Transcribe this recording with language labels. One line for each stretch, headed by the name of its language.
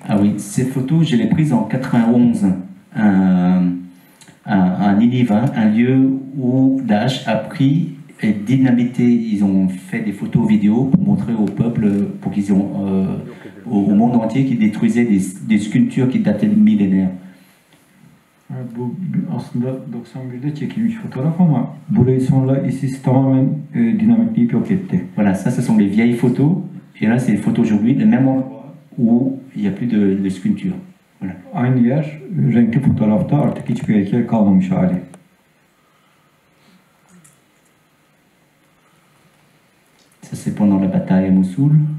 French: Ah oui, ces photos, je les ai prises en 91 à Nineveh, un lieu où Daesh a pris et dynamité. Ils ont fait des photos vidéo pour montrer au peuple, pour qu'ils ont au monde entier qu'ils détruisaient des sculptures qui dataient de millénaires.
Turkish: Evet, bu aslında 91'de çekilmiş fotoğraf ama burayı sonra ISIS tamamen dinamitleyip yok etti.
French: Voilà, ça ce sont les vieilles photos. Et là, c'est les photos aujourd'hui, le même endroit où il n'y a plus de sculpture. Voilà.
Turkish: Aynı yer, renkli fotoğrafta artık hiçbir heykel kalmamış hali.
French: Ça c'est pendant la bataille à Mossoul.